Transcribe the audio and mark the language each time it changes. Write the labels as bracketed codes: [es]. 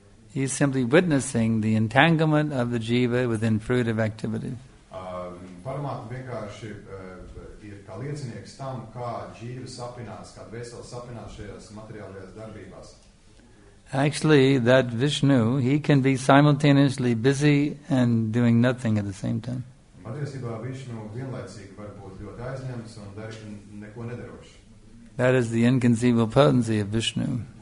[en] He's simply witnessing the entanglement of the jiva within fruitive activity. [lv] Paramātma vienkārši ir kā liecinieks tam, kā jiva sapinās, kā vesela sapinās šajās materiālajās darbībās. [en] Actually, that Vishnu, he can be simultaneously busy and doing nothing at the same time. That is the inconceivable potency of Vishnu.